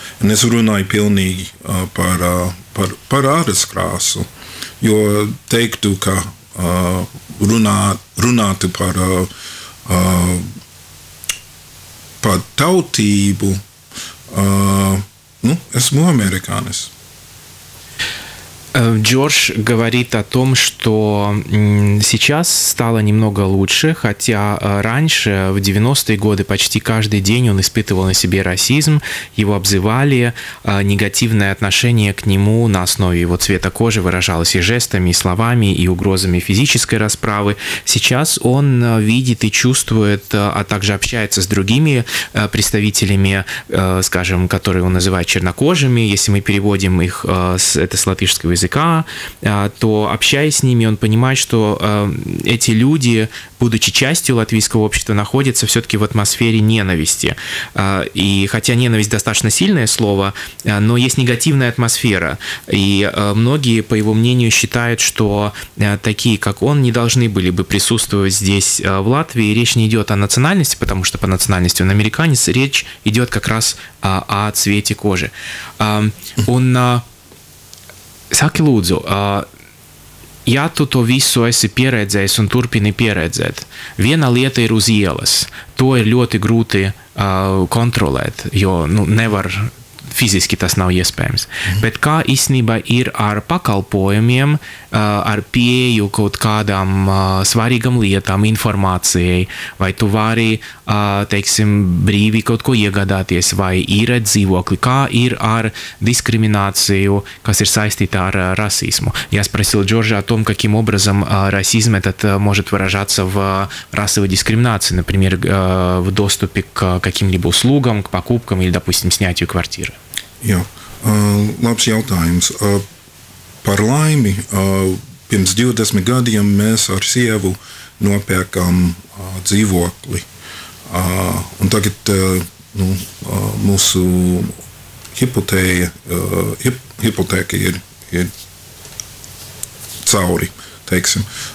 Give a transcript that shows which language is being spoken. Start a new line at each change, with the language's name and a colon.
Latvian: Un es runāju pilnīgi par āras krāsu. Jo teiktu, ka runātu par par tautību, nu, esmu amerikānis.
Russian: Джордж говорит о том, что сейчас стало немного лучше, хотя раньше, в 90-е годы, почти каждый день он испытывал на себе расизм, его обзывали, негативное отношение к нему на основе его цвета кожи выражалось и жестами, и словами, и угрозами физической расправы. Сейчас он видит и чувствует, а также общается с другими представителями, скажем, которые он называет чернокожими, если мы переводим их это с латышского языка, то, общаясь с ними, он понимает, что эти люди, будучи частью латвийского общества, находятся все-таки в атмосфере ненависти. И хотя ненависть достаточно сильное слово, но есть негативная атмосфера. И многие, по его мнению, считают, что такие, как он, не должны были бы присутствовать здесь, в Латвии. Речь не идет о национальности, потому что по национальности он американец. Речь идет как раз о цвете кожи. Он...
Latvian: Saki, lūdzu, ja tu to visu esi pieredzējis un turpini pieredzēt, viena lieta ir uz ielas, to ir ļoti grūti kontrolēt, jo nu, nevar, fiziski tas nav iespējams. Mm-hmm. Bet kā īstenībā ir ar pakalpojumiem, ar pieju kaut kādām svarīgām lietām, informācijai, vai tu vari, teiksim, brīvi kaut ko iegādāties, vai īrēt dzīvokli, kā ir ar diskrimināciju, kas ir saistīta ar rasismu.
Russian: Я спросил Джорджа о том, каким образом расизм этот может выражаться в расовой дискриминации, например, в доступе к каким-либо услугам, к покупкам или, допустим, снятию квартиры.
Latvian: Jā, labs jautājums. Par laimi, pirms 20 gadiem mēs ar sievu nopērkam dzīvokli. Un tagad nu, mūsu hipotēka ir cauri, teiksim.